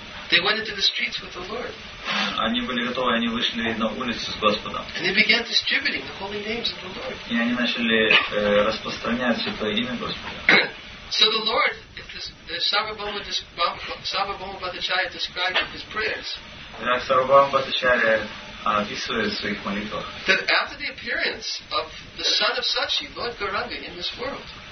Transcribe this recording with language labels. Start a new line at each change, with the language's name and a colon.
English: They went into the streets with the Lord.
Russian: Они были готовы, они вышли на улицу с Господом.
English: And they began distributing the holy names of the Lord.
Russian: И они начали распространять святое имя Господа.
English: So the Lord, the Sarvabhauma Bhattacharya described in his prayers.
Russian: Итак, Сарвабхаума Бхаттачарья описывает в своих молитвах.
English: That after the appearance of the son of Sachi, Lord Gauranga, in this world.